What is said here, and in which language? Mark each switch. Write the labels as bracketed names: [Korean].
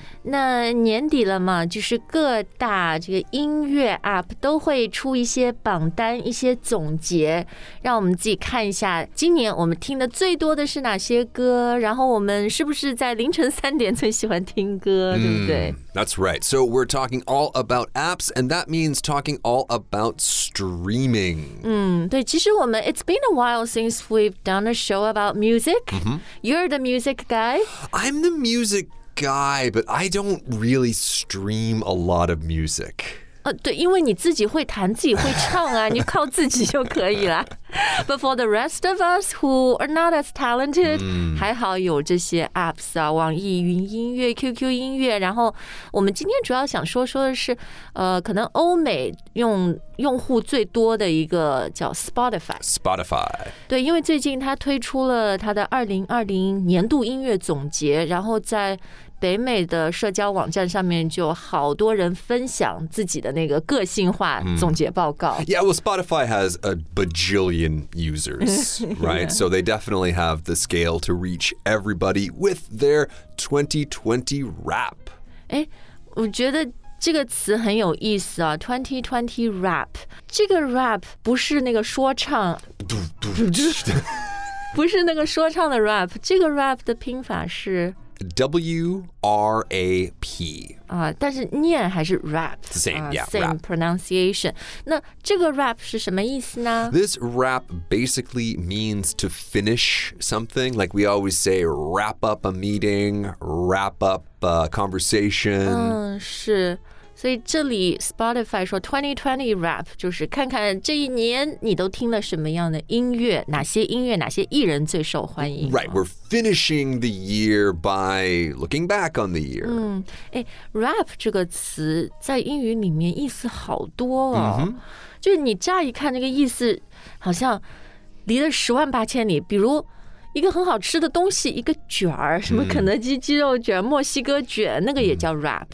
[Chinese] 那年底了嘛，就是各大这个音乐 App 都会出一些榜单，一些总结，让我们自己看一下今年我们听的最多的是哪些歌，然后我们是不是在凌晨三点最喜欢听歌，对不对？ [English] That's right. So we're talking all about apps, and that means talking all about streaming. [Chinese] 对，其实我们 [English] It's been a while since we've done a show about music.、 Mm-hmm. You're the music guy. I'm the music guy, but I don't really stream a lot of music. [Chinese] 对，因为你自己会弹，自己会唱啊，你靠自己就可以了。 [English] But for the rest of us who are not as talented,、 [Chinese] 还好有这些 apps 啊，网易云音乐、QQ 音乐。然后我们今天主要想说的是，可能欧美用户最多的一个叫 Spotify。 [English] Spotify。 [Chinese] 对，因为最近它推出了它的2020年度音乐总结，然后在北美的社交网站上面就好多人分享自己的那个个性化总结报告。 [English] Yeah, well, Spotify has a bajillion users, right? Yeah. So they definitely have the scale to reach everybody with their 2020 rap. [Chinese] 我觉得这个词很有意思啊， 2020 rap. 这个 rap 不是那个说唱。不是那个说唱的 rap, 这个 rap 的拼法是 [English] W-R-A-P. [Chinese] 但是念还是 rap. [English] It's the same, yeah. Same、 rap. pronunciation. [Chinese] 那这个 rap 是什么意思呢？ [English] This rap basically means to finish something. Like we always say, wrap up a meeting, wrap up a conversation. [Chinese] 是。所以这里 Spotify 说 2020 rap 就是看看这一年你都听了什么样的音乐，哪些音乐，哪些艺人最受欢迎。 [English] Right, we're finishing the year by looking back on the year. [Chinese] Rap 这个词在英语里面意思好多哦。 Mm-hmm. 就是你乍一看那个意思好像离得十万八千里，比如一个很好吃的东西，一个卷儿，什么肯德基鸡肉卷、墨西哥卷，那个也叫 wrap.